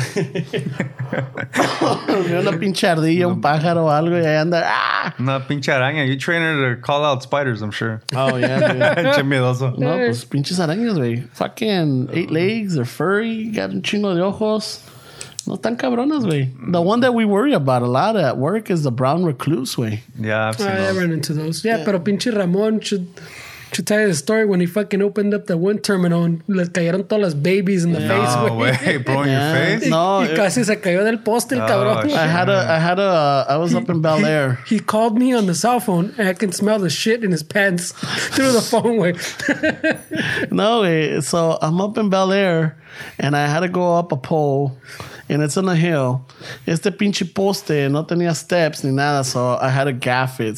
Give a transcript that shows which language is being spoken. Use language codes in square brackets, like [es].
[es] Una pinche ardilla, un pájaro o algo y ahí anda. Una pinche araña. [en] You train her to call out spiders, I'm sure. Oh, yeah. [es] Miedoso. No, pues pinches arañas, güey. [en] Fucking eight legs, they're furry, got [es] un chingo de ojos. No tan cabronas, güey. [en] The one that we worry about a lot at work is the brown recluse, güey. Yeah, I've seen those. I ran into those. Yeah, [es] pero pinche Ramón [en] should tell you the story when he fucking opened up the wind terminal and [es] le cayeron todas las [en] babies in the face, güey. No way, bro, in your face? No. [es] Y casi se cayó del poste el cabrón. [en] I was up in Bel Air. He called me on the cell phone and I can smell the shit in his pants through the phone, güey. [es] No, güey. [en] So I'm up in Bel Air and I had to go up a pole. And it's on a hill. [es] Este pinche poste no tenía steps ni nada, [en] so I had to gaff it.